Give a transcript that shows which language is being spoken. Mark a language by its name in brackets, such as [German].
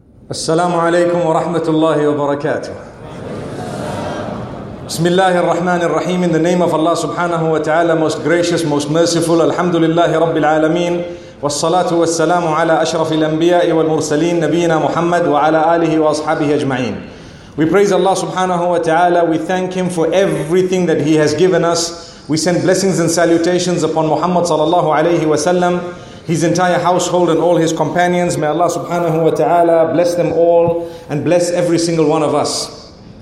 [Arabic] السلام عليكم ورحمة الله وبركاته. بسم الله الرحمن الرحيم. [English] In the name of Allah سبحانه وتعالى, most gracious, most merciful. [Arabic] الحمد لله رب العالمين. والصلاة والسلام على أشرف الأنبياء والمرسلين نبينا محمد وعلى آله وأصحابه أجمعين. [English] We praise Allah سبحانه وتعالى. We thank Him for everything that He has given us. We send blessings and salutations upon Muhammad صلى الله عليه وسلم, his entire household and all his companions. May Allah subhanahu wa ta'ala bless them all and bless every single one of us.